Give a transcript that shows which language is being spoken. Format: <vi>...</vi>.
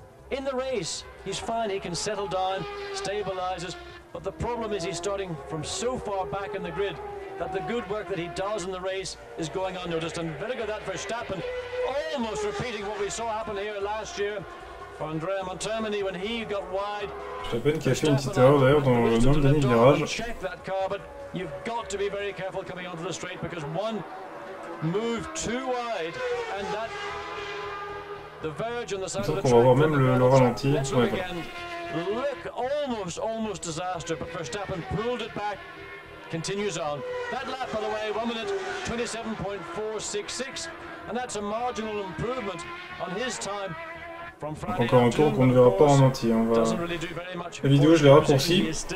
<en>In the race, he's fine, he can settle down, stabilizes, but the problem is he's starting from so far back in the grid that the good work that he does in the race is going unnoticed. And very good that Verstappen, almost repeating what we saw happen here last year for Andrea Montermini when he got wide.</en> <fr>Verstappen qui a fait une petite erreur d'ailleurs dans le dernier virage.</fr> <en>Check that car, but you've got to be very careful coming onto the straight because one move too wide and that the verge on the side of the track.</en> <fr>On va voir même le ralenti.</fr> <en>Look, almost disaster, but Verstappen pulled it back. Continues on. That lap, by the way, 1:27.466, and that's a marginal improvement on his time.</en> <fr>Donc encore un tour qu'on ne verra pas en entier. On va... La vidéo, je l'ai raccourcie.</fr>